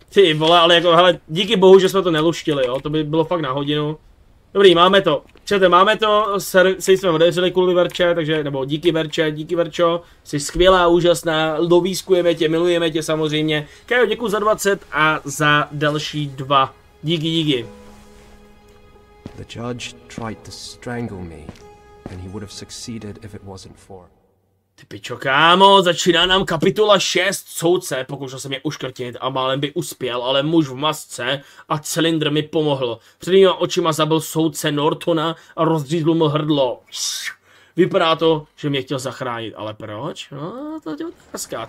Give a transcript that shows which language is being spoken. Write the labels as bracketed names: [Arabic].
[Czech] Ty vole, ale jako, hele, díky bohu, že jsme to neluštili, jo. To by bylo fakt na hodinu. Dobrý, máme to. Čete, máme to. Se jsme odeřili kvůli Verče, takže, nebo díky Verče, díky Verčo. Jsi skvělá, úžasná. Lovískujeme tě, milujeme tě samozřejmě. Kajo, děkuji za 20 a za další 2. Díky, díky. [English] The judge tried to strangle me, and he would have succeeded if it wasn't for... [Czech] Ty pičo, kámo, začíná nám kapitola 6, soudce, pokoušel se mě uškrtit a málem by uspěl, ale muž v masce a cylindr mi pomohl. Před mýma očima zabil soudce Nortona a rozřízl mu hrdlo. Vypadá to, že mě chtěl zachránit, ale proč? No, to je otázka.